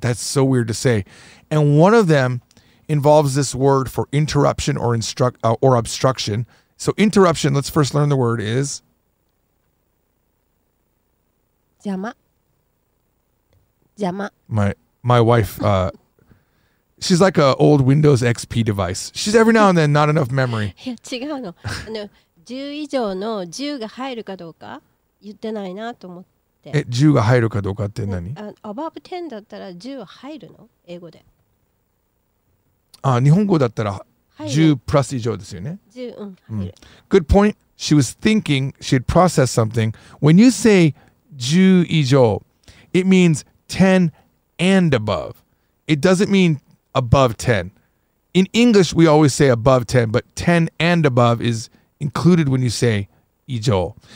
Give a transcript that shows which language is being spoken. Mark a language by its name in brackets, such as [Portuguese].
[English] That's so weird to say. And one of them involves this word for interruption or obstruction. So interruption, let's first learn the word, is? Jama. Jama. My wife, she's like an old Windows XP device. She's every now and then not enough memory. [Japanese] No, 10以上の10が入るかどうか 言ってないなと思って。 10が入るかどうかって何? [English] Above 10 [Japanese] だったら 10入るの?英語で。日本語だったら 10プラス以上ですよね? 10、うん。 [English] Good point. She was thinking she'd process something. When you say 10以上, it means 10 and above. It doesn't mean above 10. In English, we always say above 10, but 10 and above is included when you say 以上.